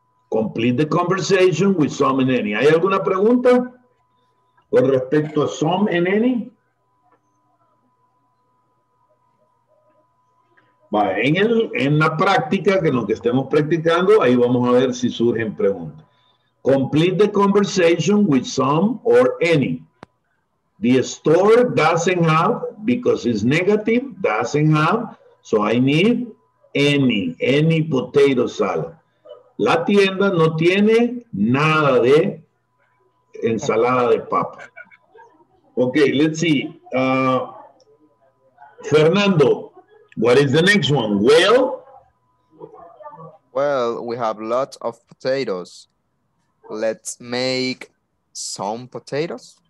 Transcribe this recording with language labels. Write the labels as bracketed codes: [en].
[en] Complete the conversation with some and any. [es] ¿Hay alguna pregunta con respecto a [en] some and any? [es] En la práctica, que en lo que estemos practicando, ahí vamos a ver si surgen preguntas. [en] Complete the conversation with some or any. The store doesn't have, because it's negative, doesn't have, so I need any potato salad. [es] La tienda no tiene nada de ensalada de papa. [en] Ok, let's see. Fernando. What is the next one? Well, we have lots of potatoes. Let's make some potatoes.